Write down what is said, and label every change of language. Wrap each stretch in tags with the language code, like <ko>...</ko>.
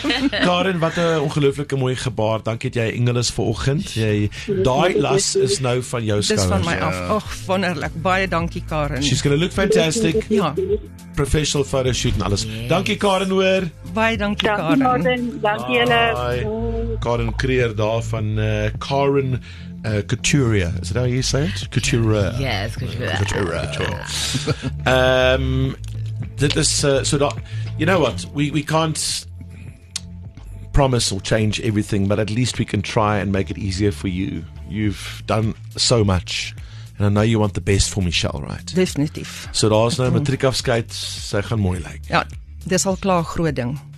<af>Karen, wat 'n ongelooflike mooi gebaar. Dankie dat jy engel is vir oggend. Daai las is nou van jou skouers. Dis van my af. Och, wonderlik. Baie dankie, Karen.</af> <en>She's gonna look fantastic.</en> <af>Ja.</af> <en>Professional photo shoot</en> <af>en alles. Yes. Dankie, Karen, hoor. Baie dankie, Karen. Dankie, Martin. Dankie,</af> <en>Bye. Julle. Karen Krier daar van Karen Couturier. Is that how you say it? Couturier. Yes, Couturier. That is so. Not, you know what? We can't promise or change everything, but at least we can try and make it easier for you. You've done so much, and I know you want the best for Michelle, right?</en> <af>Definitief. So daar's nou 'n matriek afskeid. Sy gaan mooi lyk. Ja, dis al klaar 'n groot ding.</af>